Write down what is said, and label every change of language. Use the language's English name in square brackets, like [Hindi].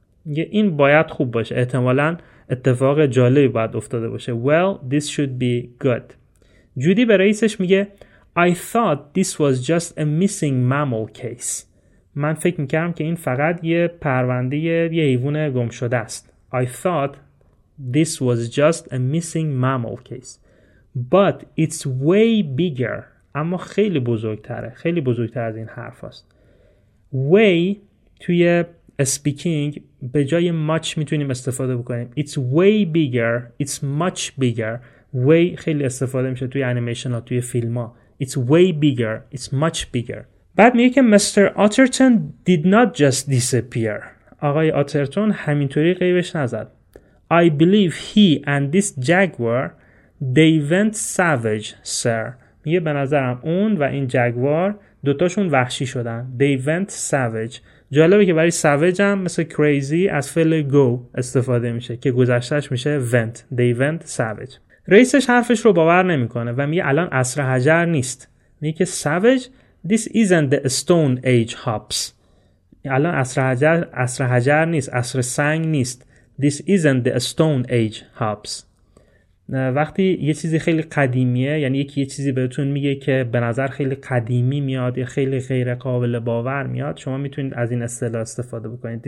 [Persian] این باید خوب باشه، احتمالاً اتفاق جالبی باید افتاده باشه. [English] Well, this should be good. [Persian] جودی به رئیسش میگه [English] I thought this was just a missing mammal case. [Persian] من فکر میکردم که این فقط یه پرونده یه حیوان گم شده است. [English] I thought this was just a missing mammal case. But it's way bigger. [Persian] اما خیلی بزرگتره. خیلی بزرگتر از این حرف هست. Way توی speaking به جای much میتونیم استفاده بکنیم. [English] It's way bigger. It's much bigger. [Persian] Way خیلی استفاده میشه توی انیمیشن ها، توی فیلم ها. [English] It's way bigger. It's much bigger. بعد میگه که Mr. Otterton did not just disappear. [Persian] آقای آترتون همینطوری غیبش نزد. [English] I believe he and this jaguar they went savage, sir. [Persian] میگه به نظرم اون و این جگوار دوتاشون وحشی شدن. [English] They went savage. [Persian] جالبه که برای savage هم مثل crazy از فعل go استفاده میشه که گذشتهش میشه went. [English] They went savage. [Persian] رئیسش حرفش رو باور نمیکنه و میگه الان عصر حجر نیست. میگه که [English] savage this isn't the stone age hops. [Persian] الان عصر حجر نیست، عصر سنگ نیست. [English] This isn't the stone age hops. [Persian] وقتی یه چیزی خیلی قدیمیه، یعنی یکی یه چیزی بهتون میگه که به نظر خیلی قدیمی میاد یا خیلی غیر قابل باور میاد، شما میتونید از این اصطلاح استفاده بکنید.